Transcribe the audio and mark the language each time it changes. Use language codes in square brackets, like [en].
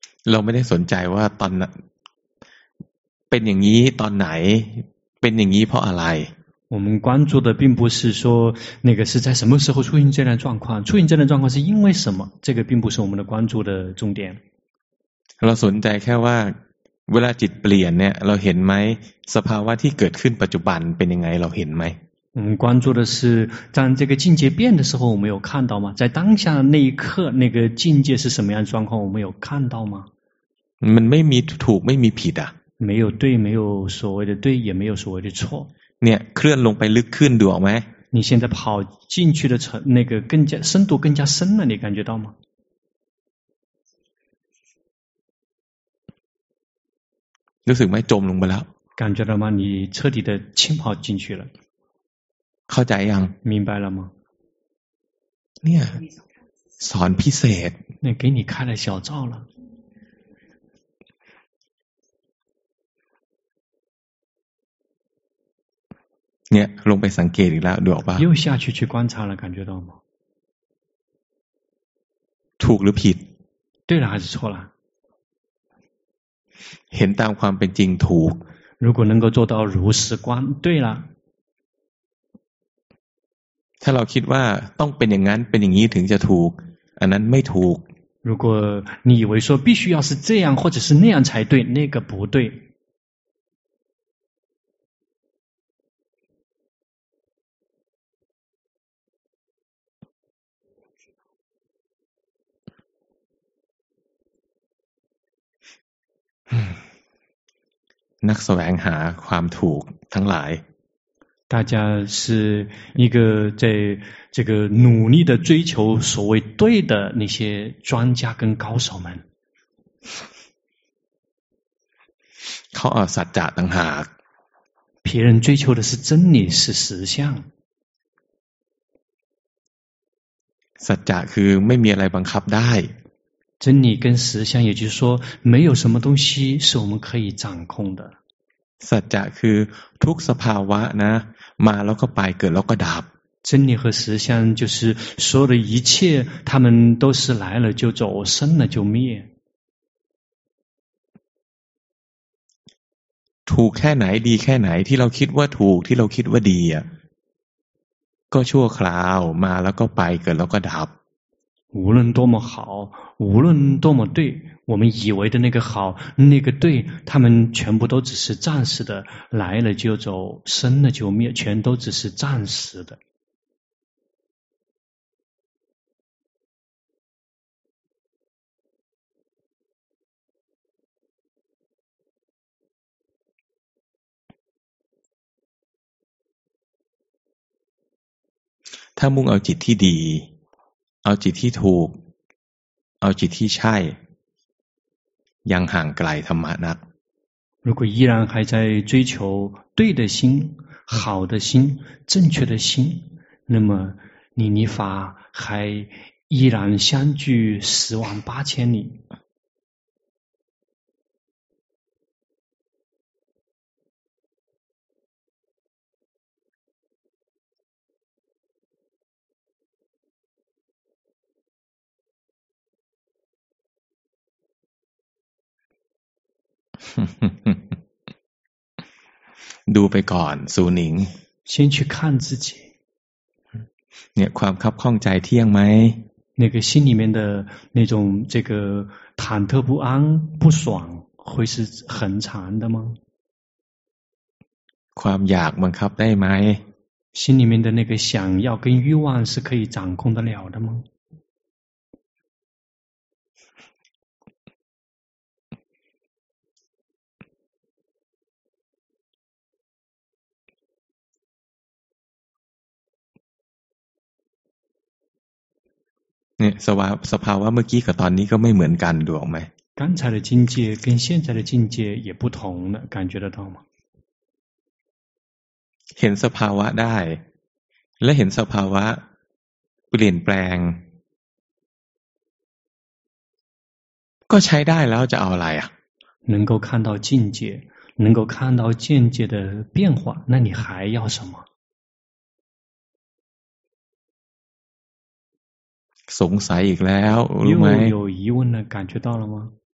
[th] เราไม่ได้สนใจว่าตอนเป็นอย่างนี้ตอนไหนเป็นอย่างนี้เพราะอะไร [zh] 我们关注的并不是说那个是在什么时候出现这样的状况出现这样的状况是因为什么这个并不是我们的关注的重点 [th] เราสนใจแค่ว่าเวลาจิตเปลี่ยนเนี่ยเราเห็นไหมสภาวะที่เกิดขึ้นปัจจุบันเป็นยังไงเราเห็นไหม เราสนใจคือจังที่ [zh] 境界变的时候我们有看到吗在当下那一刻那个境界是什么样状况我们有看到吗 [th] มันไม่มีถูกไม่มีผิดอ่ะ [zh] 没有对没有所谓的对也没有所谓的错 [th] เนี่ยเคลื่อนลงไปลึกขึ้นดูออกมั้ย [zh] 你现在跑进去的程那个更加深度更加深了，你感觉到吗？ [th] รู้สึกไหมจมลงไปแล้ว [zh] 感觉到吗？你彻底的浸泡进去了。 [th] เข้าใจยัง [zh] 明白了吗？ [th] เนี่ยสอนพิเศษ [zh] 那给你开了小灶了。 [th] เนี่ยลงไปสังเกตอีกแล้วดูออกป่ะ [zh] 又下去去观察了感觉到吗 [th] ถูกหรือผิด [zh] 对了还是错了 [th] เห็นตามความเป็นจริงถูก [zh] 如果能够做到如实观对了 [th] ถ้าเราคิดว่าต้องเป็นอย่างนั้นเป็นอย่างนี้ถึงจะถูกอันนั้นไม่ถูก [zh] 如果你以为说必须要是这样或者是那样才对那个不对 [th] นักแสวงหาความถูกทั้งหลาย [zh] 大家是一个在这个努力的追求所谓对的那些专家跟高手们 [th] เขาเอาสัจจะต่างหาก [zh] 别人追求的是真理是实相 [th] สัจจะคือไม่มีอะไรบังคับได้ [zh] 真理跟实相也就是说没有什么东西是我们可以掌控的 [th] สัจจะคือทุกสภาวะนะมาแล้วก็ไปเกิดแล้วก็ดับ [zh] 真理和实相就是所有的一切他们都是来了就走生了就灭 [th] ถูกแค่ไหนดีแค่ไหนที่เราคิดว่าถูกที่เราคิดว่าดีก็ชั่วคราวมาแล้วก็ไปเกิดแล้วก็ดับ [zh] 无论多么好无论多么对我们以为的那个好那个对他们全部都只是暂时的来了就走生了就灭全都只是暂时的 [th] ถ้ามุ่งเอาจิตที่ดีเอาจิตที่ถูกเอาจิตที่ใช่ยังห่างไกลธรรมะนัก [zh] 如果依然还在追求对的心好的心正确的心那么你离法还依然相距十万八千里 [th] ดูไปก่อนสูนิง [zh] 先去看自己 [th] เนี่ยความคับข้องใจเที่ยงไหม [zh] 那个心里面的那种这个忐忑不安不爽会是很缠的吗 [th] ความอยากบังคับได้ไหม [zh] 心里面的那个想要跟欲望是可以掌控得了的吗 [th] เนี่ยสภาวะเมื่อกี้กับตอนนี้ก็ไม่เหมือนกันดูออกไหม [zh] 刚才的境界跟现在的境界也不同了感觉得到吗 [th] เห็นสภาวะได้และเห็นสภาวะเปลี่ยนแปลงก็ใช้ได้แล้วจะเอาอะไรอ่ะ [zh] 能够看到境界能够看到境界的变化那你还要什么 [th] สงสัยอีกแล้วรู้ไหม [zh] 有疑问了感觉到了吗